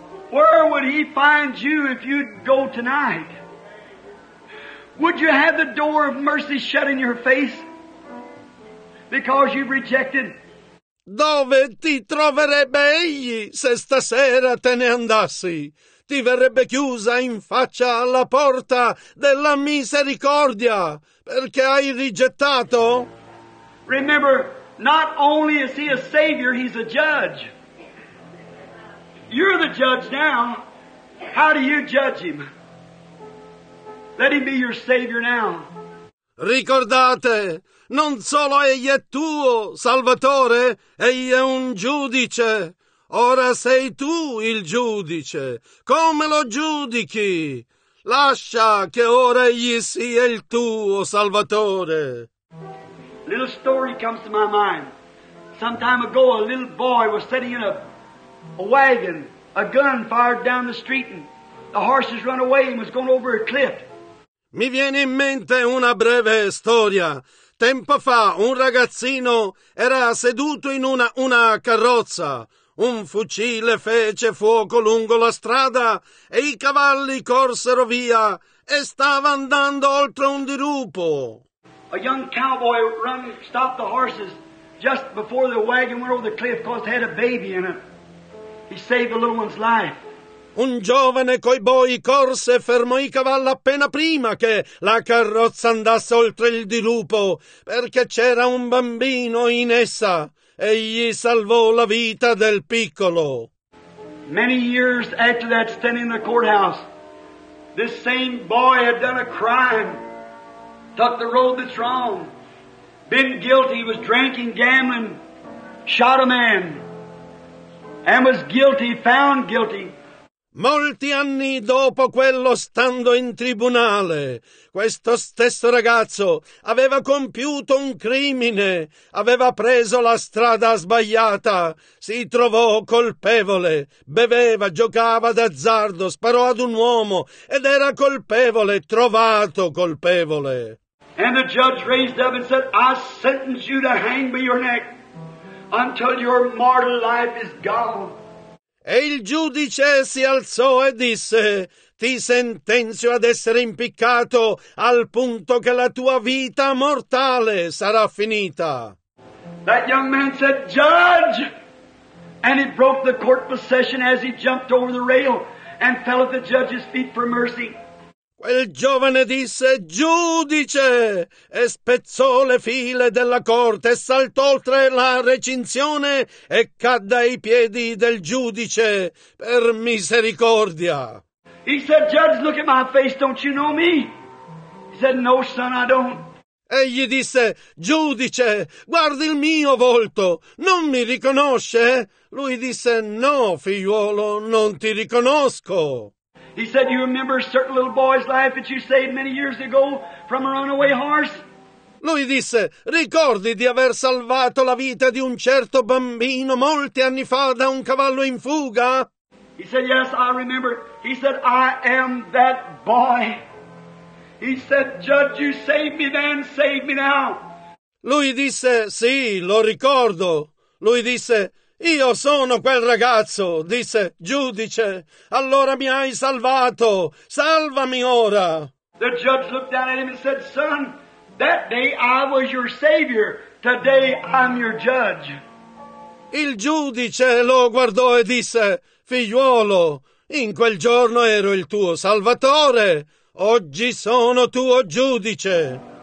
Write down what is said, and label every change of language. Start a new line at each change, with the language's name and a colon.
English: Where would he find you if you'd go tonight? Would you have the door of mercy shut in your face because you've rejected?
Italian: Dove ti troverebbe egli se stasera te ne andassi? Ti verrebbe chiusa in faccia alla porta della misericordia perché hai rigettato?
English: Remember, not only is he a savior, he's a judge. You're the judge now. How do you judge him? Let him be your savior now.
Italian: Ricordate, non solo egli è tuo Salvatore, egli è un giudice. Ora sei tu il giudice. Come lo giudichi? Lascia che ora egli sia il tuo Salvatore.
English: Little story comes to my mind. Some time ago, a little boy was sitting in a wagon. A gun fired down the street, and the horses run away and was going over a cliff.
Italian: Mi viene in mente una breve storia. Tempo fa, un ragazzino era seduto in una carrozza. Un fucile fece fuoco lungo la strada e i cavalli corsero via e stava andando oltre un dirupo.
English: A young cowboy stopped the horses just before the wagon went over the cliff because it had a baby in it. He saved the little one's life.
Italian: Un giovane coi boi corse e fermò i cavalli appena prima che la carrozza andasse oltre il dirupo perché c'era un bambino in essa. Egli salvò la vita del piccolo.
English: Many years after that, standing in the courthouse, this same boy had done a crime, took the road that's wrong, been guilty, was drinking, gambling, shot a man, and was guilty, found guilty.
Italian: Molti anni dopo, quello stando in tribunale, questo stesso ragazzo aveva compiuto un crimine, aveva preso la strada sbagliata, si trovò colpevole, beveva, giocava d'azzardo, sparò ad un uomo ed era colpevole, trovato colpevole.
English: And the judge raised up and said, I sentence you to hang by your neck until your mortal life is gone.
Italian: E il giudice si alzò e disse, ti sentenzio ad essere impiccato al punto che la tua vita mortale sarà finita.
English: That young man said, Judge! And he broke the court procession as he jumped over the rail and fell at the judge's feet for mercy.
Italian: Quel giovane disse, giudice, e spezzò le file della corte e saltò oltre la recinzione e cadde ai piedi del giudice per misericordia.
English: He said, Judge, look at my face, don't you know me? He said, no, son, I don't.
Italian: Egli disse, giudice, guardi il mio volto, non mi riconosce? Lui disse, no, figliuolo, non ti riconosco.
English: He said, you remember a certain little boy's life that you saved many years ago from a runaway horse?
Italian: Lui disse, ricordi di aver salvato la vita di un certo bambino molti anni fa da un cavallo in fuga?
English: He said, yes, I remember. He said, I am that boy. He said, Judge, you saved me then, save me now.
Italian: Lui disse, sì, lo ricordo. Lui disse, io sono quel ragazzo, disse, giudice, allora mi hai salvato, salvami ora.
English: The judge looked down at him and said, son, that day I was your savior, today I'm your judge.
Italian: Il giudice lo guardò e disse, figliuolo, in quel giorno ero il tuo salvatore, oggi sono tuo giudice.